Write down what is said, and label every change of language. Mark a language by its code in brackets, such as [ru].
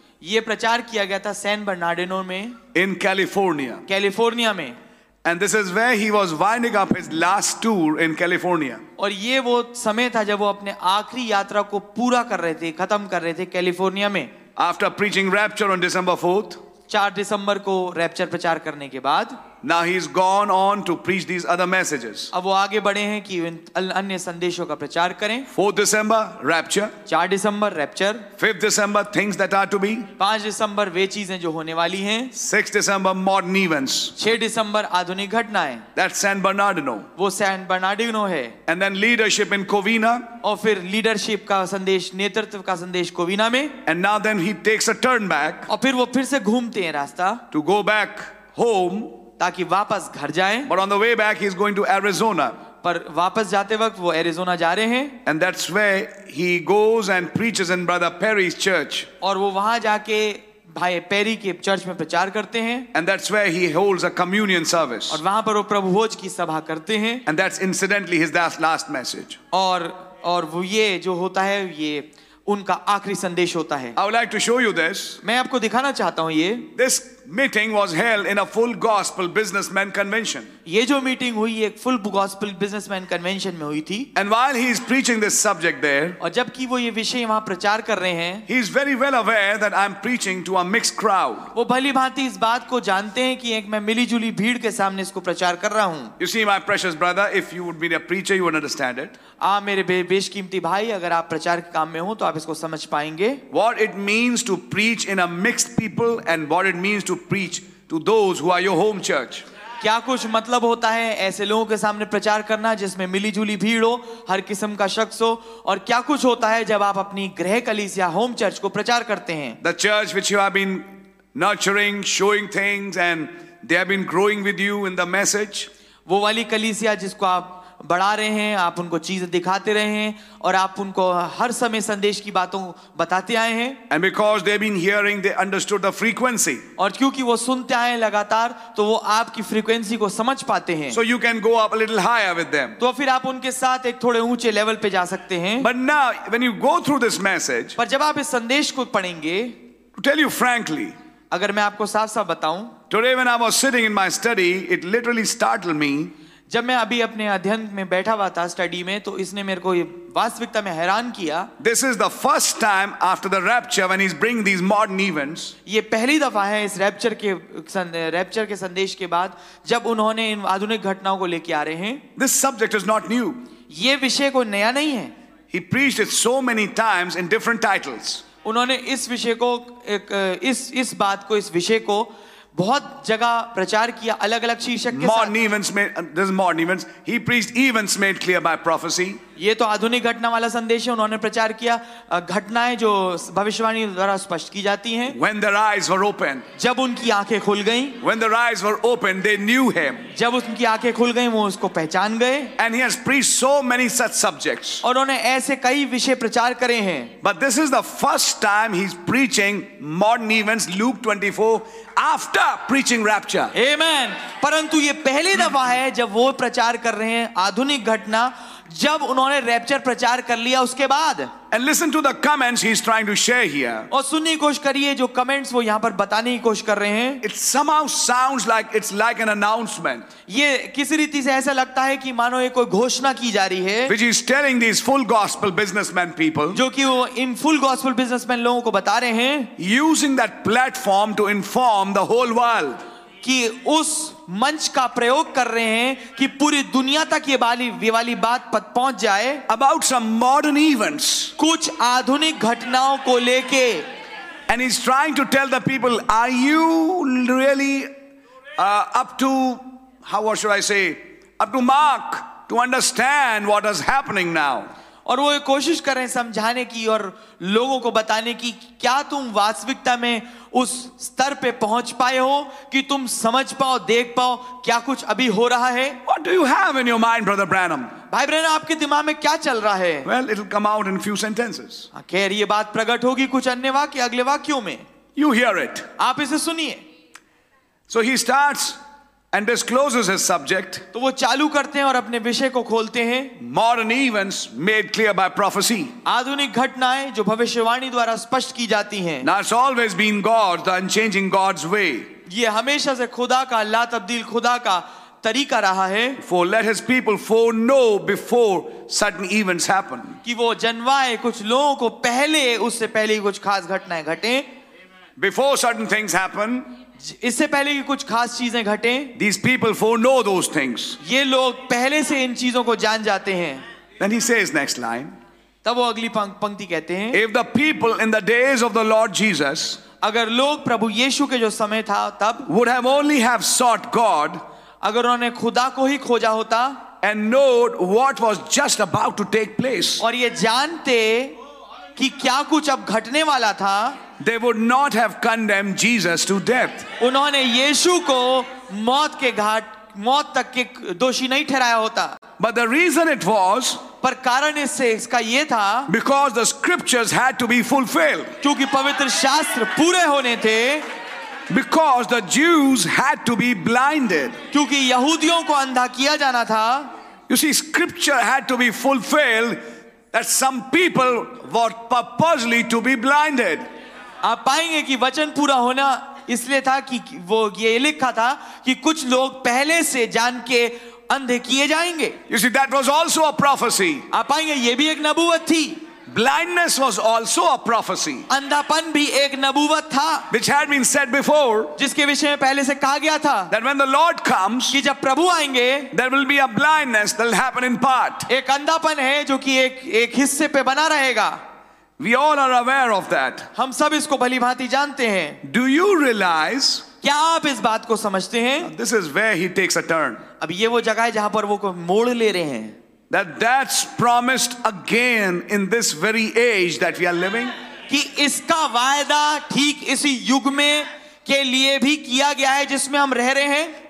[hi] ये प्रचार किया गया था सैन बर्नार्डिनो में. [en] In California. [hi] कैलिफोर्निया में. [en] And this is where he was winding up his last tour in California. [hi] और ये वो समय था जब वो अपने आखिरी यात्रा को पूरा कर रहे थे, खत्म कर रहे थे कैलिफोर्निया में. [en] After preaching rapture on December 4th. [hi] 4 दिसंबर को रैप्चर प्रचार करने के बाद. [en] Now he's gone on to preach these other messages. [hi] अब वो आगे बढ़े हैं कि अन्य संदेशों का प्रचार करें. 4 दिसंबर rapture. 4 December rapture. [en] 5 December things that are to be. [hi] 5 दिसंबर वे चीजें जो होने वाली हैं. [en] 6 December modern events. [hi] 6 दिसंबर आधुनिक घटनाएं. [en] That's San Bernardino. [hi] वो सैन बर्नार्डिनो है. [en] And then leadership in Covina. [hi] और फिर लीडरशिप का संदेश, नेतृत्व का संदेश कोविना में. [en] And now then he takes a turn back. [hi] और फिर वो फिर से घूमते हैं रास्ता. [en] To go back home. [hi] ताकि वापस घर जाएं. [en] But on the way back, he's going to Arizona. [hi] पर वापस जाते वक्त वो एरिजोना जा रहे हैं. [en] And that's where he goes and preaches in Brother Perry's church. [hi] और वो वहाँ जाके भाई पेरी के चर्च में प्रचार करते हैं. [en] And that's where he holds a communion service. [hi] और वहाँ पर वो प्रभुभोज की सभा करते हैं. [en] And that's incidentally his last message. [hi] और वो ये जो होता है ये उनका आखिरी संदेश होता है. [en] I would like to show you this. [hi] मैं आपको दिखाना चाहता हूँ ये. [en] This meeting was held in a full gospel businessman convention. [hi] ये जो meeting हुई एक [en] full gospel businessman convention [hi] में हुई थी. [en] And while he is preaching this subject there. [hi] और जबकि वो ये विषय वहाँ प्रचार कर रहे हैं. [en] He is very well aware that I am preaching to a mixed crowd. [hi] वो भली भांति इस बात को जानते हैं कि एक मैं मिली जुली भीड़ के सामने इसको प्रचार कर रहा हूँ. [en] You see my precious brother, if you would be a preacher you would understand it. [hi] आ मेरे बेशकीमती भाई, अगर आप प्रचार के काम में हो तो आप इसको समझ पाएंगे. [en] What it means to preach in a mixed people and what it means to preach to those who are your home church. [hi] क्या कुछ मतलब होता है ऐसे लोगों के सामने प्रचार करना जिसमें मिली जुली भीड़ हो, हर किस्म का शख्स हो. और क्या कुछ होता है जब आप अपनी गृह कलीसिया [en] home church [hi] को प्रचार करते हैं. [en] The church which you have been nurturing, showing things and they have been growing with you in the message. [hi] वो वाली कलीसिया जिसको आप बढ़ा रहे हैं, आप उनको चीजें दिखाते रहे हैं और आप उनको हर समय संदेश की बातों बताते आए हैं. [en] And because they've been hearing, they understood the frequency. [hi] और क्योंकि वो सुनते आए लगातार तो वो आपकी फ्रीक्वेंसी को समझ पाते हैं. [en] So you can go up a little higher with them. [hi] तो फिर आप उनके साथ एक थोड़े ऊंचे लेवल पे जा सकते हैं. [en] But now, when you go through this message, [hi] पर जब आप इस संदेश को पढ़ेंगे, [en] to tell you frankly, [hi] अगर मैं आपको साफ साफ बताऊं, [en] today when I was sitting in my study, it literally startled me. [hi] जब मैं अभी अपने अध्ययन में बैठा हुआ था स्टडी में तो इसने मेरे को वास्तविकता में हैरान किया. [en] This is the first time after the rapture when he's bringing these modern events. [hi] ये पहली दफा है इस रैप्चर के संदेश के बाद जब उन्होंने इन आधुनिक घटनाओं को लेके आ रहे हैं. [en] This subject is not new. [hi] ये विषय कोई नया नहीं है. [en] He preached it so many times in different titles. [hi] उन्होंने इस विषय को इस बात को इस विषय को बहुत जगह प्रचार किया अलग अलग शीर्षक के साथ [en] modern events में this is modern events he preached events made clear by prophecy [hi] ये तो आधुनिक घटना वाला संदेश है उन्होंने प्रचार किया घटनाएं जो भविष्यवाणी द्वारा स्पष्ट की जाती हैं [en] when their eyes were open [hi] जब उनकी आंखें खुल गईं [en] when their eyes were open they knew him [hi] जब उनकी आंखें खुल गईं वो उसको पहचान गए [en] and he has preached so many such subjects [hi] और उन्होंने ऐसे कई विषय प्रचार करे हैं [en] but this is the first time he's preaching modern events luke 24 after preaching rapture [hi] amen परंतु ये पहली दफा है जब वो प्रचार कर रहे हैं आधुनिक घटना जब उन्होंने रैप्चर प्रचार कर लिया उसके बाद [en] And listen to the comments he's trying to share here. [hi] और सुनने की कोशिश करिए जो कमेंट्स वो यहाँ पर बताने की कोशिश कर रहे हैं. [en] It somehow sounds like it's like an announcement. [hi] ये किसी रीति से ऐसा लगता है कि मानो ये कोई घोषणा की जा रही है. [en] Which he's telling these full gospel businessmen people. [hi] जो कि वो इन [en] full gospel businessmen [hi] लोगों को बता रहे हैं. [en] Using that platform to inform the whole world. [hi] कि उस मंच का प्रयोग कर रहे हैं कि पूरी दुनिया तक ये वाली बात पद पहुंच जाए [en] about some modern events [hi] कुछ आधुनिक घटनाओं को लेके [en] and he is trying to tell the people are you really up to how should I say up to mark to understand what is happening now [hi] और वो कोशिश कर रहे हैं समझाने की और लोगों को बताने की क्या तुम वास्तविकता में उस स्तर पे पहुंच पाए हो कि तुम समझ पाओ देख पाओ क्या कुछ अभी हो रहा है [en] What do you have in your mind, Brother Branham? [hi] भाई ब्रैनम आपके दिमाग में क्या चल रहा है [en] Well, it'll come out in a few sentences. [hi] खैर ये बात प्रकट होगी कुछ अन्य वाक्य अगले वाक्यों में [en] You hear it. [hi] आप इसे सुनिए [en] So he starts And discloses his subject. [hi] तो वो चालू करते हैं और अपने विषय को खोलते हैं. [en] Modern events made clear by prophecy. [hi] आधुनिक घटनाएं जो भविष्यवाणी द्वारा स्पष्ट की जाती हैं. [en] Now it's always been God, the unchanging God's way. [hi] ये हमेशा से खुदा का ला तब्दील खुदा का तरीका रहा है. [en] For let his people foreknow before certain events happen. [hi] कि वो जनवाए कुछ लोगों को पहले उससे पहले ही कुछ खास घटनाएं घटें. [en] Before certain things happen. [hi] इससे पहले कि कुछ खास चीजें घटें, [en] these people foreknow those things. [hi] ये लोग पहले से इन चीजों को जान जाते हैं. [en] Then he says next line. [hi] तब वो अगली पंक्ति कहते हैं. [en] If the people in the days of the Lord Jesus, [hi] अगर लोग प्रभु यीशु के जो समय था तब, [en] would have only have sought God, [hi] अगर उन्होंने खुदा को ही खोजा होता, [en] and knowed what was just about to take place, [hi] और ये जानते कि क्या कुछ अब घटने वाला था. [en] They would not have condemned Jesus to death. [hi] उन्होंने यीशु को मौत के घाट मौत तक के दोषी नहीं ठहराया होता. [en] But the reason it was. [hi] पर कारण इससे इसका ये था. [en] Because the scriptures had to be fulfilled. [hi] क्योंकि पवित्र शास्त्र पूरे होने थे. [en] Because the Jews had to be blinded. [hi] क्योंकि यहूदियों को अंधा किया जाना था. [en] You see, scripture had to be fulfilled that some people were purposely to be blinded. [hi] आप पाएंगे कि वचन पूरा होना इसलिए था कि वो ये लिखा था कि कुछ लोग पहले से जान के अंधे किए जाएंगे [en] You see, that was also a prophecy. [hi] आप पाएंगे ये भी एक नबूवत थी [en] Blindness was also a prophecy. [hi] अंधापन भी एक नबूवत था [en] Which had been said before. [hi] जिसके विषय में पहले से कहा गया था [en] That when the Lord comes. [hi] कि जब प्रभु आएंगे [en] There will be a blindness that will happen in part. [hi] एक अंधापन है जो कि एक हिस्से पे बना रहेगा [en] We all are aware of that. [hi] हम सब इसको भलीभांति जानते हैं. [en] Do you realize? [hi] क्या आप इस बात को समझते हैं? [en] This is where he takes a turn. [hi] अब ये वो जगह है जहाँ पर वो को मोड़ ले रहे हैं. [en] That's promised again in this very age that we are living. [hi] कि इसका वायदा ठीक इसी युग में के लिए भी किया गया है जिसमें हम रह रहे हैं